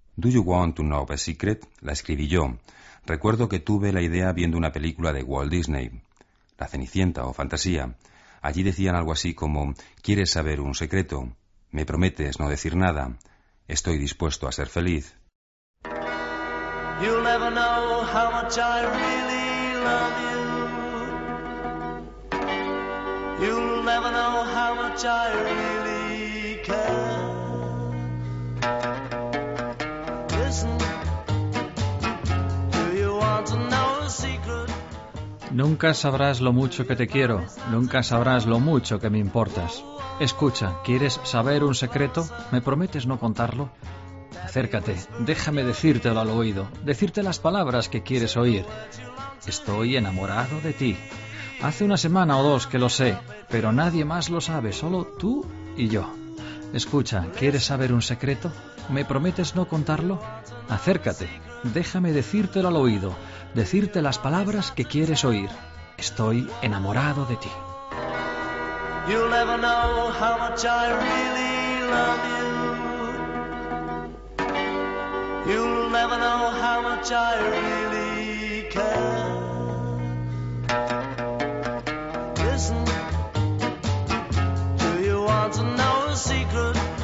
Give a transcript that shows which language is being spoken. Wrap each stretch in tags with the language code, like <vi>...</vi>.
<es>Do You Want to Know the Secret? La escribí yo. Recuerdo que tuve la idea viendo una película de Walt Disney, La Cenicienta o Fantasía. Allí decían algo así como, ¿quieres saber un secreto? ¿Me prometes no decir nada? Estoy dispuesto a ser feliz.</es> <en>You'll never know how much I really love you. You'll never know how much I really care. Listen, do you want to know a secret?</en> <es>Nunca sabrás lo mucho que te quiero, nunca sabrás lo mucho que me importas. Escucha, ¿quieres saber un secreto? ¿Me prometes no contarlo? Acércate, déjame decírtelo al oído, decirte las palabras que quieres oír. Estoy enamorado de ti. Hace una semana o dos que lo sé, pero nadie más lo sabe, solo tú y yo. Escucha, ¿quieres saber un secreto? ¿Me prometes no contarlo? Acércate, déjame decírtelo al oído, decirte las palabras que quieres oír. Estoy enamorado de ti.</es> <en>You'll never know how much I really love you. You'll never know how much I really care. Listen, do you want to know a secret?</en>